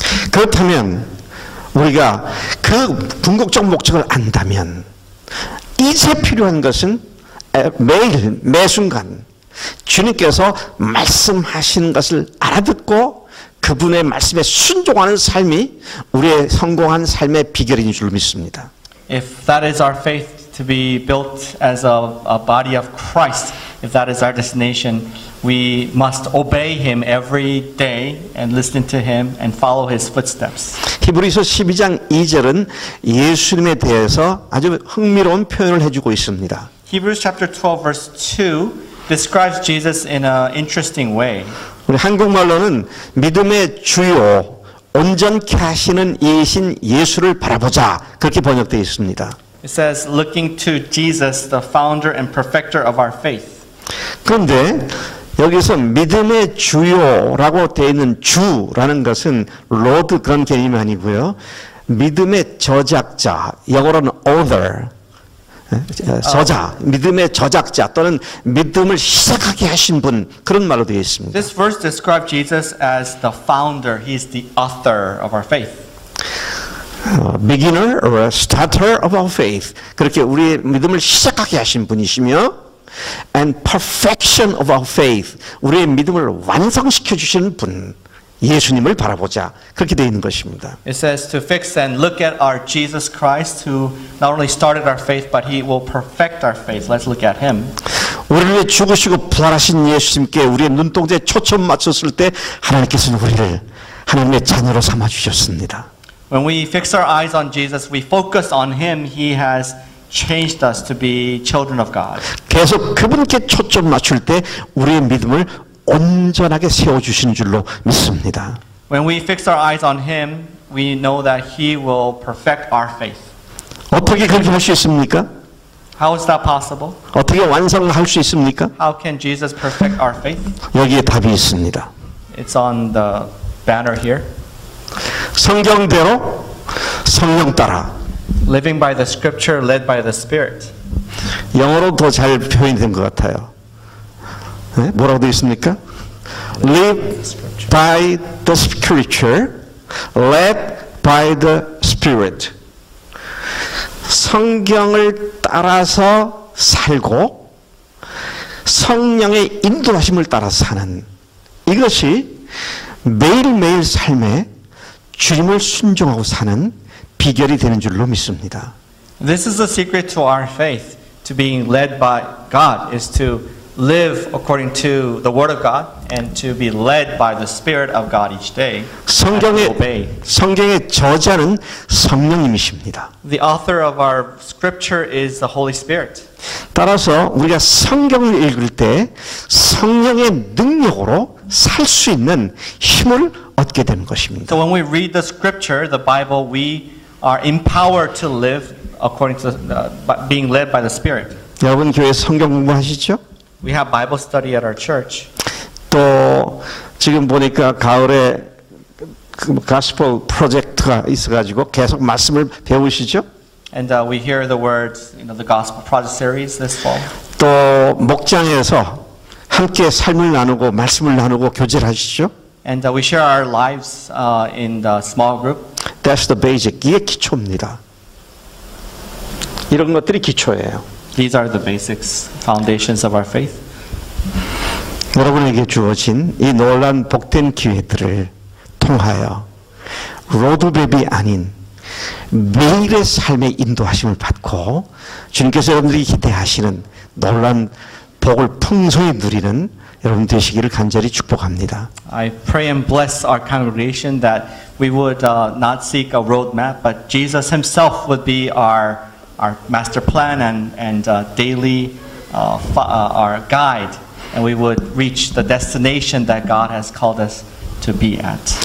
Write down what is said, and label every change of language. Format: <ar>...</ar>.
<ko>그렇다면 우리가 그 궁극적 목적을 안다면. 이제 필요한 것은 매일 매 순간 주님께서 말씀하시는 것을 알아듣고 그분의 말씀에 순종하는 삶이 우리의 성공한 삶의 비결인 줄 믿습니다.</ko> <en>If that is our faith to be built as a body of Christ, if that is our destination, we must obey Him every day and listen to Him and follow His footsteps.</en> <ko>히브리서 12장 2절은 예수님에 대해서 아주 흥미로운 표현을 해주고 있습니다.</ko> <en>Hebrews chapter 12 verse 2 describes Jesus in an interesting way.</en> <ko>우리 한국말로는 믿음의 주요 온전케 하시는 이신 예수를 바라보자 그렇게 번역되어 있습니다.</ko> <en>It says looking to Jesus, the founder and perfecter of our faith.</en> <ko>그런데 여기서 믿음의 주요라고 되어 있는 주라는 것은 로드 그런 개념이 아니고요. 믿음의 저작자, 영어로는 author, 저자, 믿음의 저작자 또는 믿음을 시작하게 하신 분 그런 말로 되어 있습니다.</ko> <en>This verse describes Jesus as the founder. He is the author of our faith. Beginner or a starter of our faith.</en> <ko>그렇게 우리의 믿음을 시작하게 하신 분이시며</ko> <en>and perfection of our faith,</en> <ko>우리의 믿음을 완성시켜 주시는 분, 예수님을 바라보자. 그렇게 되어 있는 것입니다.</ko> <en>It says to fix and look at our Jesus Christ who not only started our faith, but he will perfect our faith. Let's look at him.</en> <ko>우리를 죽으시고 부활하신 예수님께 우리의 눈동자에 초점 맞췄을 때 하나님께서는 우리를 하나님의 자녀로 삼아주셨습니다.</ko> <en>When we fix our eyes on Jesus, we focus on him, he has changed us to be children of God.</en> <ko>계속 그분께 초점 맞출 때 우리의 믿음을 온전하게 세워 주시는 줄로 믿습니다.</ko> <en>When we fix our eyes on him, we know that he will perfect our faith.</en> <ko>어떻게 그렇게 할 수 있습니까?</ko> <en>How is that possible?</en> <ko>어떻게 완성할 수 있습니까?</ko> <en>How can Jesus perfect our faith?</en> <ko>여기에 답이 있습니다.</ko> <en>It's on the banner here.</en> <ko>성경대로 성령 따라</ko> <en>Living by the scripture, led by the spirit.</en> <ko>영어로 더 잘 표현이 된 것 같아요. 네? 뭐라고 되어 있습니까?</ko> <en>Live by the scripture, led by the spirit.</en> <ko>성경을 따라서 살고 성령의 인도하심을 따라서 사는 이것이 매일매일 삶에 주님을 순종하고 사는 비결이 되는 줄로 믿습니다.</ko> <en>This is the secret to our faith, to being led by God, is to live according to the word of God and to be led by the spirit of God each day.</en> <ko>성경의 저자는 성령님이십니다.</ko> <en>The author of our scripture is the Holy Spirit.</en> <ko>따라서 우리가 성경을 읽을 때 성령의 능력으로 살 수 있는 힘을 얻게 되는 것입니다.</ko> <en>So when we read the scripture, the Bible, we are empowered to live according to being led by the spirit.</en> <ko>여러분 교회 성경 공부하시죠?</ko> <en>We have Bible study at our church.</en> <ko>또 지금 보니까 가을에 gospel project가 있어가지고 계속 말씀을 배우시죠?</ko> <en>And we hear the words, you know, the gospel project series this fall.</en> <ko>또 목장에서 함께 삶을 나누고 말씀을 나누고 교제를 하시죠?</ko> <en>And we share our lives in the small group. That's the basic.</en> <ko>이게 기초입니다. 이런 것들이 기초예요.</ko> <en>These are the basics, foundations of our faith.</en> <ko>여러분에게 주어진 이 놀란 복된 기회들을 통하여 로드맵이 아닌 매일의 삶의 인도하심을 받고 주님께서 여러분들이 기대하시는 놀란 복을 풍성히 누리는 여러분 되시기를 간절히 축복합니다.</ko> <en>I pray and bless our congregation that we would not seek a roadmap, but Jesus Himself would be our master plan and daily our guide, and we would reach the destination that God has called us to be at.</en>